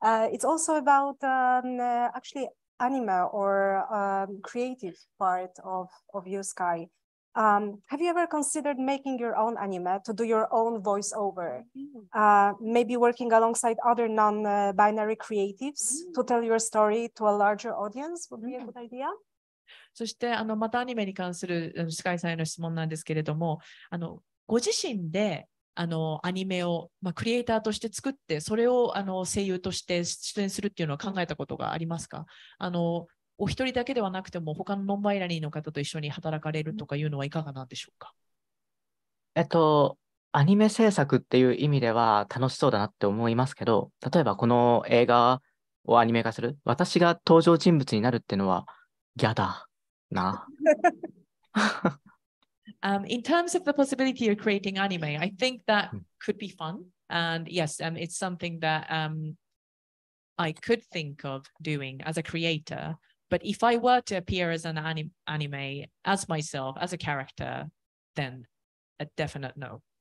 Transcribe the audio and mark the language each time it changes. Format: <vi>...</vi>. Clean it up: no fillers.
<en>It's also about actually anime or creative part of you, Sky. Have you ever considered making your own anime to do your own voiceover? Maybe working alongside other non-binary creatives to tell your story to a larger audience would be a good idea?</en> <ja>そしてあのまたアニメに関するスカイさんへの質問なんですけれども、あのご自身であのアニメを、まあ、クリエイターとして作って、それをあの声優として出演するっていうのは考えたことがありますか？あのお一人だけではなくても、他のノンバイナリーの方と一緒に働かれるとかいうのはいかがなんでしょうか？アニメ制作っていう意味では楽しそうだなって思いますけど、例えばこの映画をアニメ化する、私が登場人物になるっていうのはギャだ。</ja> <en>In terms of the possibility of creating anime, I think that could be fun. And yes, it's something that I could think of doing as a creator. But if I were to appear as an anime, as myself, as a character, then a definite no.</en>